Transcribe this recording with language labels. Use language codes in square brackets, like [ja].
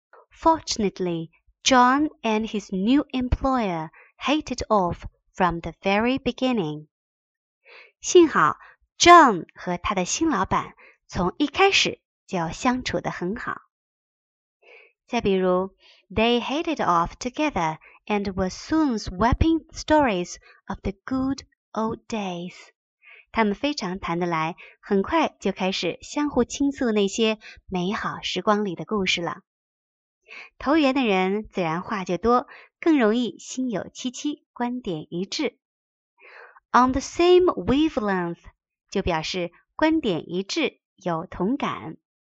[en] Fortunately, John and his new employer hit it off from the very beginning. [zh] 幸好 John 和他的新老板从一开始就相处得很好。再比如 [en] ,they hit it off together and were soon swapping stories of the good old days. [zh] 他们非常谈得来，很快就开始相互倾诉那些美好时光里的故事了。投缘的人自然话就多，更容易心有戚戚，观点一致。 On the same wavelength 就表示观点一致，有同感。